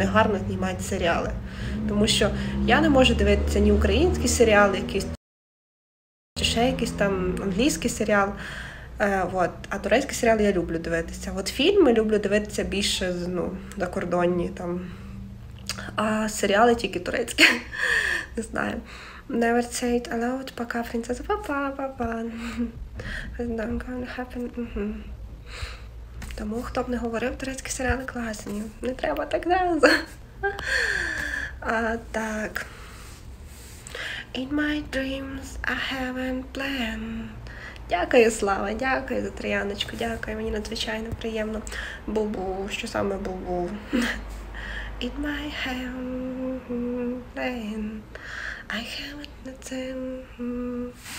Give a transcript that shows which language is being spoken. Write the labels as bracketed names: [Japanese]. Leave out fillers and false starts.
[Ukrainian] Вони гарно знімають серіали. Тому що я не можу дивитися ні українські серіали, якісь, чи ще якийсь там англійський серіал. От. А турецький серіал я люблю дивитися. От фільми люблю дивитися більше, ну, закордонні там. А серіали тільки турецькі. Не знаю. [English] Never say it aloud, [Russian] пока принцеса, па-па-па-па. [English] It's not gonna happen. [Ukrainian] Тому, хто б не говорив, турецькі серіали класні. Не треба так зразу. А так. [English] In my dreams I haven't planned. [Ukrainian] Дякую, Слава, дякую за Трояночку, дякую, мені надзвичайно приємно. Бу-бу, що саме бу-бу? [English] In my hand, rain, I have nothing.